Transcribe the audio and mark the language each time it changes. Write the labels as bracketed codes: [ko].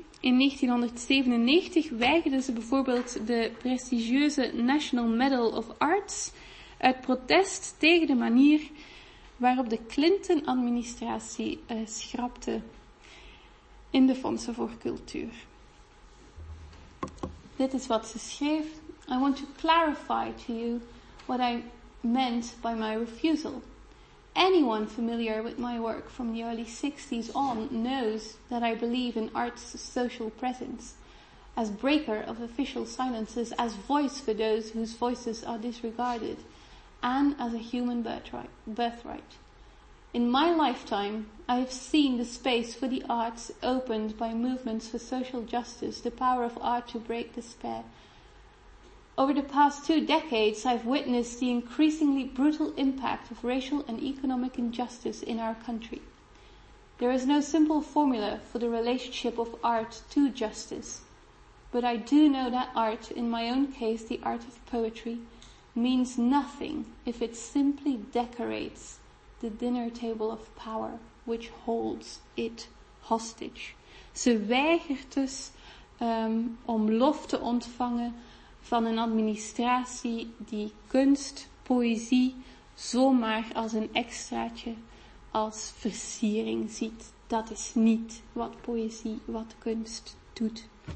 [nl] In 1997 weigerde ze bijvoorbeeld de prestigieuze National Medal of Arts uit protest tegen de manier waarop de Clinton-administratie schrapte in de Fondsen voor Cultuur. Dit is wat ze schreef. [en] I want to clarify to you what I meant by my refusal. Anyone familiar with my work from the early 60s on knows that I believe in art's social presence, as breaker of official silences, as voice for those whose voices are disregarded, and as a human birthright. In my lifetime, I have seen the space for the arts opened by movements for social justice, the power of art to break despair. Over the past two decades, I've witnessed the increasingly brutal impact of racial and economic injustice in our country. There is no simple formula for the relationship of art to justice, but I do know that art, in my own case, the art of poetry, means nothing if it simply decorates the dinner table of power which holds it hostage. [nl] Ze weigert dus om lof te ontvangen van een administratie die kunst, poëzie, zomaar als een extraatje, als versiering ziet. Dat is niet wat poëzie, wat kunst doet.